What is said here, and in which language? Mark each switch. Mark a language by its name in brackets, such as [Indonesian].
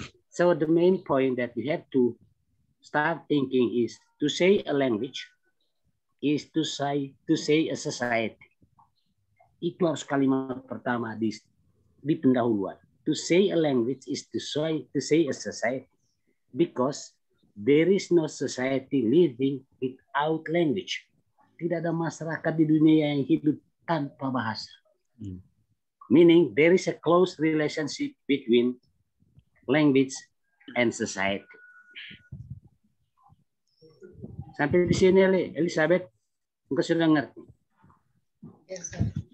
[English] So the main point that you have to start thinking is to say a language is to say a society. [Indonesian] Itu harus kalimat pertama di pendahuluan. [English] To say a language is to say a society because there is no society living without language. [Indonesian] Tidak ada masyarakat di dunia yang hidup tanpa bahasa. [English] Meaning there is a close relationship between language and society. [Indonesian] Sampai di sini Elizabeth, engkau sudah ngerti? [English] Yes, sir.